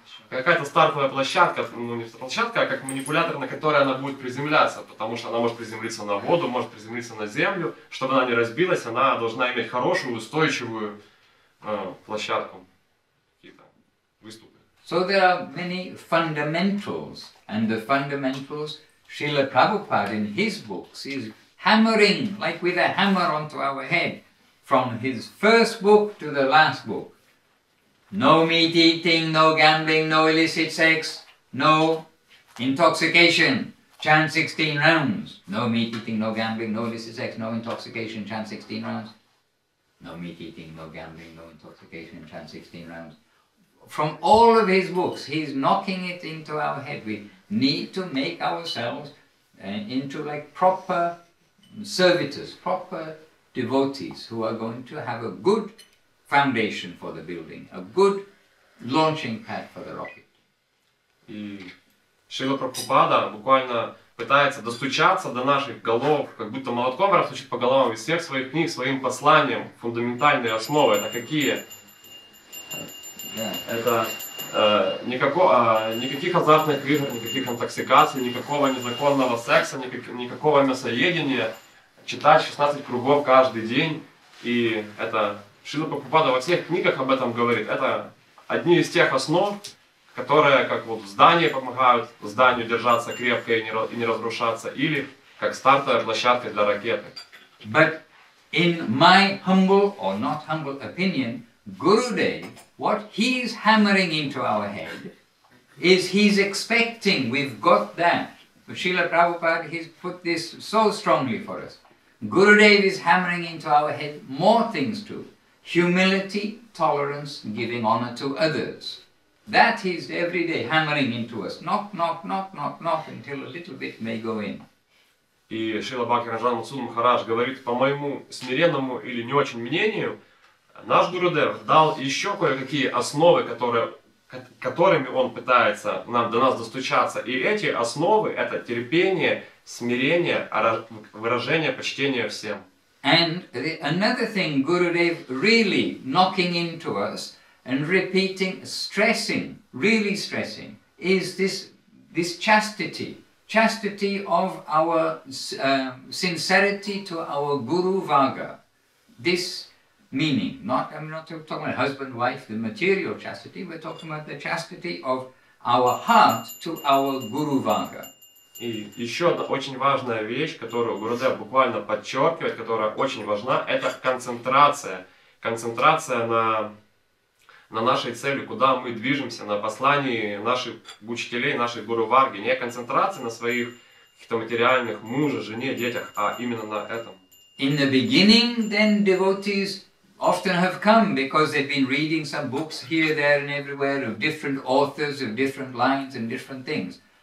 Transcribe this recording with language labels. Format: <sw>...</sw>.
<ru>Какая-то стартовая площадка, ну не площадка, а как манипулятор, на который она будет приземляться. Потому что она может приземлиться на воду, может приземлиться на землю. Чтобы она не разбилась, она должна иметь хорошую, устойчивую площадку. Какие-то выступы.</ru> <en>So there are many fundamentals. And the fundamentals Srila Prabhupada in his books is hammering, like with a hammer onto our head, from his first book to the last book. No meat eating, no gambling, no illicit sex, no intoxication, chant 16 rounds. No meat eating, no gambling, no illicit sex, no intoxication, chant 16 rounds. No meat eating, no gambling, no intoxication, chant 16 rounds. From all of his books, he's knocking it into our head. We need to make ourselves into like proper servitors, proper devotees who are going to have a good foundation for the building, a good launching pad for the rocket.</en> <ru>И Шрила Прабхупада буквально пытается достучаться до наших голов, как будто молотком растучит по головам из всех своих книг, своим посланием, фундаментальные основы. Это какие?</ru> <en>Yeah.</en> <ru>Это никаких азартных игр, никаких интоксикаций, никакого незаконного секса, никакого мясоедения. Читать 16 кругов каждый день, и это... Шрила Прабхупада во всех книгах об этом говорит. Это одни из тех основ, которые как вот здание помогают зданию держаться крепко и не разрушаться, или как стартовая площадка для ракеты.</ru> <en>But in my humble or not humble opinion, Gurudev, what he's hammering into our head is he's expecting we've got that. Srila Prabhupada, he's put this so strongly for us. Gurudev is hammering into our head more things too. Humility, tolerance, giving honor to others. That is every day hammering into us. Knock, knock, knock, knock, knock, until a little bit may go in.</en> <ru>И Шрила Бхакти Раджана Суд Махарадж говорит, по моему смиренному или не очень мнению, наш Гурудев дал еще кое-какие основы, которыми он пытается нам, до нас достучаться. И эти основы — это терпение, смирение, выражение почтения всем.</ru> <en>And another thing Gurudev really knocking into us and repeating, stressing, really stressing, is this chastity. Chastity of our sincerity to our Guru Varga. This meaning, I'm not talking about husband, wife, the material chastity, we're talking about the chastity of our heart to our Guru Varga.</en> <ru>И еще одна очень важная вещь, которую Гурудев буквально подчеркивает, которая очень важна, это концентрация. Концентрация на нашей цели, куда мы движемся, на послании наших учителей, наших Гуру Варги. Не концентрация на своих каких-то материальных муже, жене, детях, а именно на этом.</ru> <en>In the beginning, then devotees often have come because they've been reading some books here, there and everywhere of different authors, of different lines and different things.</en>